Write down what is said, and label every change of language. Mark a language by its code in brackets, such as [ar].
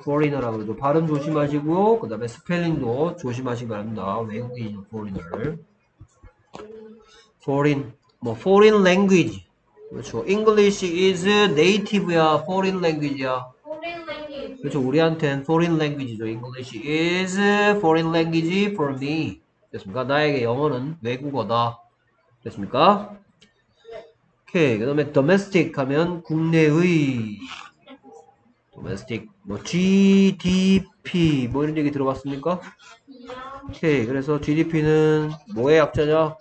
[ko] foreigner라고 해도 발음 조심하시고, 그 다음에 스펠링도 조심하시기 바랍니다. 외국인 foreigner. [en] foreign. 뭐, foreign language. [ko] 그렇죠. [en] English is native야. foreign language야. [ko] 그렇죠. 우리한테는 [en] foreign language [ko] 죠. [en] English is foreign language for me. [ko] 됐습니까? 나에게 영어는 외국어다. 됐습니까? 오케이. 그다음에 domestic 하면 국내의 domestic 뭐 GDP 뭐 이런 얘기 들어봤습니까? 오케이. 그래서 GDP는 뭐의 약자냐?